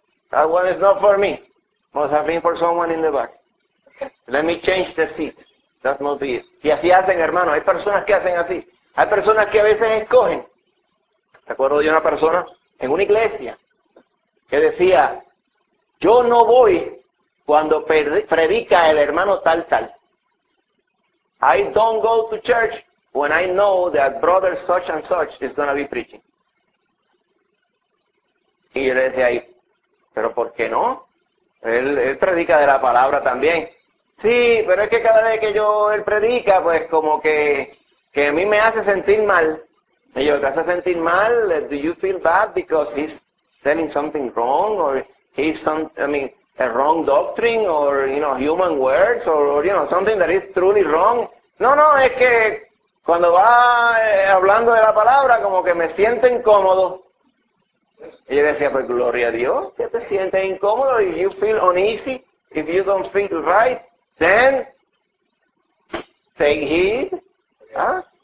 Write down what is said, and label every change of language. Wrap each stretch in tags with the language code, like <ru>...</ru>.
<en>That one is not for me, must have been for someone in the back. Let me change the seat, that must be it.</en> <es>Y así hacen, hermano, hay personas que hacen así. Hay personas que a veces escogen. Recuerdo de una persona en una iglesia que decía, yo no voy cuando predica el hermano tal tal.</es> <en>I don't go to church when I know that brother such and such is going to be preaching.</en> <es>Y yo le decía ahí, pero ¿por qué no? Él predica de la palabra también. Sí, pero es que cada vez que yo él predica, pues como que a mí me hace sentir mal. Y yo, ¿te hace sentir mal?</es> <en>Do you feel bad because he's telling something wrong? Or he's some, I mean, a wrong doctrine, or, you know, human words, or, you know, something that is truly wrong.</en> <es>No, no, es que cuando va hablando de la palabra, como que me siento incómodo. Y yo decía, pues, gloria a Dios, que te sientes incómodo,</es> <en>if you feel uneasy, if you don't feel right, then, take heed, ¿ah?</en>